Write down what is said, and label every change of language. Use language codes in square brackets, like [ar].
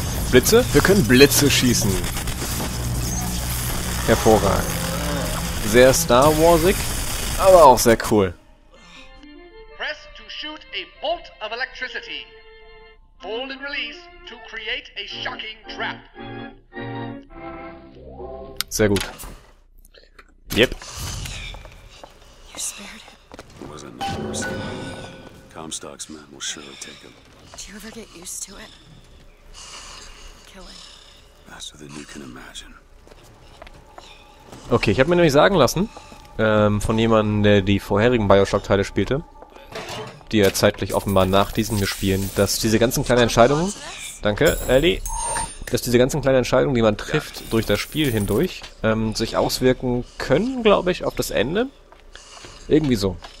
[de] Blitze? Wir können Blitze schießen. Hervorragend. Sehr Star Warsig, aber auch sehr cool. [en] Press to shoot a bolt of electricity. Hold and release to create a shocking trap. [de] Sehr gut. Yep. [en] You spared him. It wasn't the first time. Comstock's men will surely take him. Do you ever get used to it? Killing. Faster than you can imagine. [de] Okay, ich habe mir nämlich sagen lassen, von jemandem, der die vorherigen Bioshock-Teile spielte, die er zeitlich offenbar nach diesen gespielt, dass diese ganzen kleinen Entscheidungen, danke, Ellie, dass diese ganzen kleinen Entscheidungen, die man trifft durch das Spiel hindurch, sich auswirken können, glaube ich, auf das Ende. Irgendwie so.